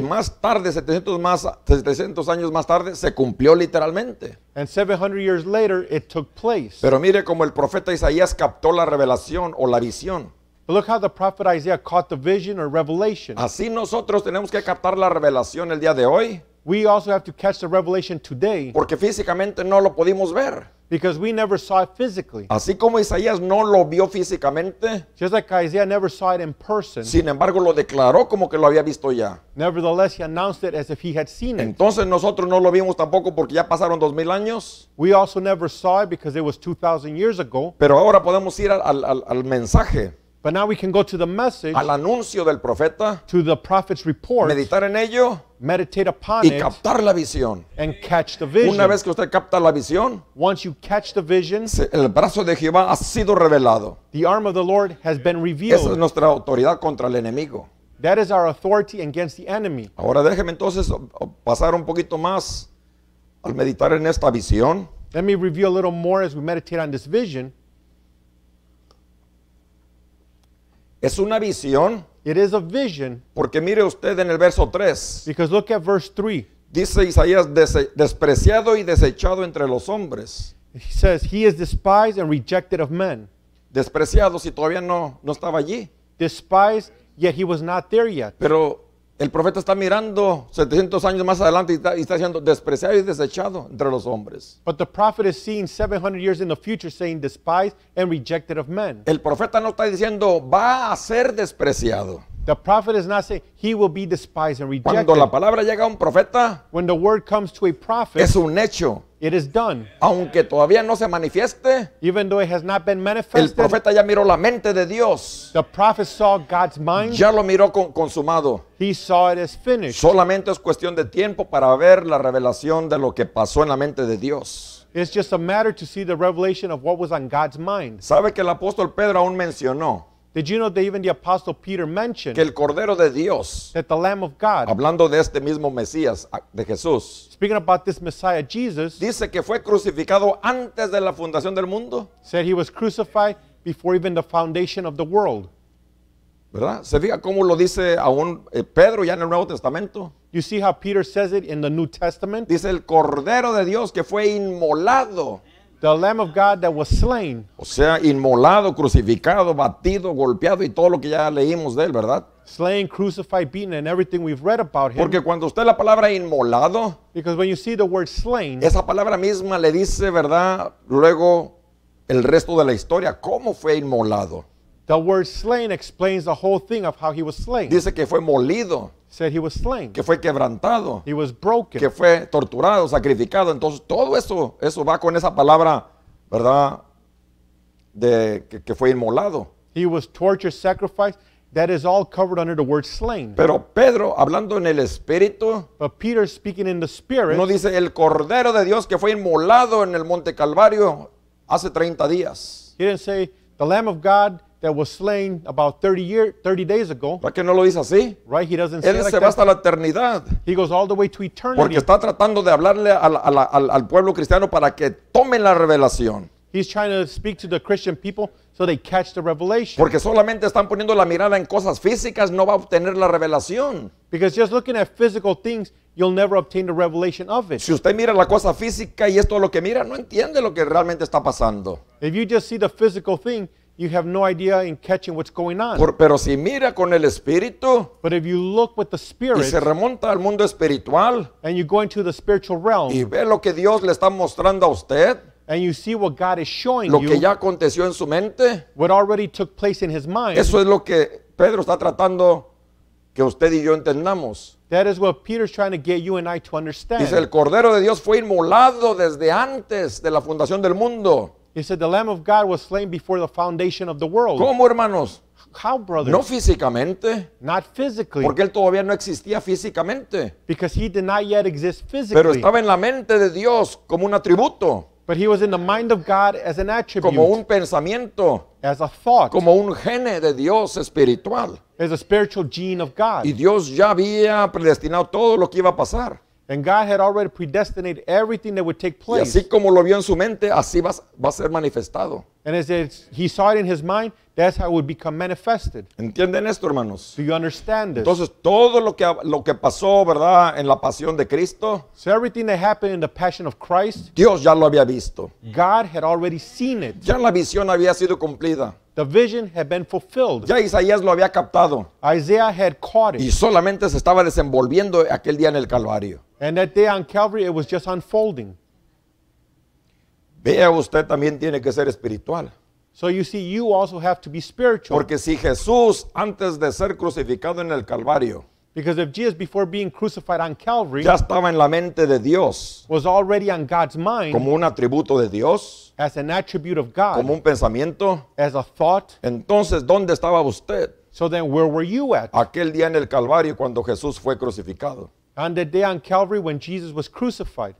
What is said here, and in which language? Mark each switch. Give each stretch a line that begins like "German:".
Spanish: Y más tarde, 700 años más tarde, se cumplió literalmente.
English: And 700 years later, it took place.
Spanish: Pero mire como el profeta Isaías captó la revelación o la visión.
English: But look how the prophet Isaiah caught the vision or revelation.
Spanish: Así nosotros tenemos que captar la revelación el día de hoy.
English: We also have to catch the revelation today.
Spanish: Porque físicamente no lo pudimos ver.
English: Because we never saw it physically.
Spanish: Así como Isaías no lo vio físicamente.
English: Just like Isaiah never saw it in person.
Spanish: Sin embargo, lo declaró como que lo había visto ya.
English: Nevertheless, he announced it as if he had seen it.
Spanish: Entonces nosotros no lo vimos tampoco porque ya pasaron 2,000 años.
English: We also never saw it because it was 2,000 years ago.
Spanish: Pero ahora podemos ir al mensaje.
English: But now we can go to the message.
Spanish: Al anuncio del profeta.
English: To the prophet's report.
Spanish: Meditar en ello.
English: Meditate upon
Spanish: y captar la visión.
English: And catch the vision.
Spanish: Una vez que usted capta la visión,
English: once you catch the vision,
Spanish: el brazo de Jehová ha sido revelado.
English: The arm of the Lord has been revealed.
Spanish: Esa es nuestra autoridad contra el enemigo.
English: That is our authority against the enemy.
Spanish: Ahora déjeme entonces pasar un poquito más al meditar en esta visión.
English: Let me review a little more as we meditate on this vision.
Spanish: Es una visión.
English: It is a vision.
Spanish: Porque mire usted en el verso 3.
English: Because look at verse 3.
Spanish: Dice Isaías, despreciado y desechado entre los hombres.
English: He says, he is despised and rejected of men.
Spanish: Despreciado, si todavía no estaba allí.
English: Despised, yet he was not there yet.
Spanish: Pero El profeta está mirando 700 años más adelante y está siendo despreciado y desechado entre los hombres.
English: But the prophet is seeing 700 years in the future saying despised and rejected of men.
Spanish: El profeta no está diciendo va a ser despreciado.
English: The prophet is not saying he will be despised and rejected.
Spanish: Cuando la palabra llega a un profeta,
English: when the word comes to a prophet,
Spanish: es un hecho.
English: It is done.
Spanish: Aunque todavía no se manifieste,
English: even though it has not been manifested,
Spanish: el profeta ya miró la mente de Dios.
English: The prophet saw God's mind.
Spanish: Ya lo miró consumado.
English: He saw it as finished.
Spanish: Solamente es cuestión de tiempo para ver la revelación de lo que pasó en la mente de Dios.
English: It's just a matter to see the revelation of what was on God's mind.
Spanish: ¿Sabe que el apóstol Pedro aún mencionó?
English: Did you know that even the apostle Peter mentioned
Spanish: que el Cordero de Dios,
English: that the Lamb of God,
Spanish: hablando de este mismo Mesías, de Jesús,
English: speaking about this Messiah Jesus,
Spanish: dice que fue crucificado antes de la fundación del mundo,
English: said he was crucified before even the foundation of the world.
Spanish: ¿Verdad? ¿Se fija cómo lo dice aún Pedro ya en el Nuevo Testamento?
English: You see how Peter says it in the New Testament?
Spanish: Dice el Cordero de Dios que fue inmolado.
English: The Lamb of God that was slain.
Spanish: O sea, inmolado, crucificado, batido, golpeado y todo lo que ya leímos de él, ¿verdad?
English: Slain, crucified, beaten and everything we've read about him.
Spanish: Porque cuando usted la palabra inmolado,
English: because when you see the word slain,
Spanish: esa palabra misma le dice, ¿verdad? Luego el resto de la historia, ¿cómo fue inmolado?
English: The word slain explains the whole thing of how he was slain.
Spanish: Dice que fue molido.
English: Said he was slain.
Spanish: Que fue quebrantado.
English: He was broken.
Spanish: Que fue torturado, sacrificado. Entonces todo eso, eso va con esa palabra, ¿verdad? De que fue inmolado.
English: He was tortured, sacrificed. That is all covered under the word slain.
Spanish: Pero Pedro, hablando en el Espíritu,
English: but Peter speaking in the Spirit,
Spanish: no dice el Cordero de Dios que fue inmolado en el Monte Calvario hace 30 días.
English: He didn't say the Lamb of God that was slain about 30 days ago.
Spanish: ¿Para qué no lo dice así?
English: Right, he doesn't
Spanish: él
English: say like
Spanish: va
English: that.
Spanish: Hasta la eternidad.
English: He goes all the way to eternity.
Spanish: Porque está tratando de hablarle al pueblo cristiano para que tomen la revelación.
English: He's trying to speak to the Christian people so they catch the revelation.
Spanish: Porque solamente están poniendo la mirada en cosas físicas, no va a obtener la revelación.
English: Because just looking at physical things, you'll never obtain the revelation of it.
Spanish: Si usted mira la cosa física y esto es lo que mira, no entiende lo que realmente está pasando.
English: If you just see the physical thing, you have no idea in catching what's going on.
Spanish: Pero si mira con el espíritu,
English: but if you look with the spirit,
Spanish: y se remonta al mundo espiritual,
English: and you go into the spiritual realm,
Spanish: y ve lo que Dios le está mostrando a usted,
English: and you see what God is showing
Spanish: lo
English: you,
Spanish: que ya aconteció en su mente,
English: what already took place in his mind,
Spanish: eso es lo que Pedro está tratando que usted y yo entendamos.
English: That is what Peter's trying to get you and I to understand.
Spanish: Dice, el Cordero de Dios fue inmolado desde antes de la fundación del mundo.
English: He said the Lamb of God was slain before the foundation of the world.
Spanish: ¿Cómo, hermanos?
English: How, brothers?
Spanish: No físicamente.
English: Not physically.
Spanish: Porque él todavía no existía físicamente.
English: Because he did not yet exist physically.
Spanish: Pero estaba en la mente de Dios como un atributo.
English: But he was in the mind of God as an attribute.
Spanish: Como un pensamiento.
English: As a thought.
Spanish: Como un gene de Dios espiritual.
English: As a spiritual gene of God.
Spanish: Y Dios ya había predestinado todo lo que iba a pasar.
English: And God had already predestinated everything that would take place.
Spanish: Y así como lo vio en su mente, así va a ser manifestado.
English: And as he saw it in his mind, that's how it would become manifested.
Spanish: ¿Entienden esto, hermanos?
English: Do you understand this?
Spanish: Entonces, todo lo que pasó, ¿verdad?, en la pasión de Cristo,
English: so everything that happened in the passion of Christ,
Spanish: Dios ya lo había visto.
English: God had already seen it.
Spanish: Ya la visión había sido cumplida.
English: The vision had been fulfilled.
Spanish: Ya Isaías lo había captado.
English: Isaiah had caught it.
Spanish: Y solamente se estaba desenvolviendo aquel día en el Calvario.
English: And that day on Calvary, it was just unfolding.
Spanish: Vea, usted también tiene que ser espiritual.
English: So you see, you also have to be spiritual.
Spanish: Porque si Jesús, antes de ser crucificado en el Calvario,
English: because if Jesus, before being crucified on Calvary,
Spanish: ya estaba en la mente de Dios,
English: was already on God's mind,
Spanish: como un atributo de Dios,
English: as an attribute of God,
Spanish: como un pensamiento,
English: as a thought,
Spanish: entonces, ¿dónde estaba usted?
English: So then, where were you at?
Spanish: Aquel día en el Calvario, cuando Jesús fue crucificado.
English: On the day on Calvary when Jesus was crucified.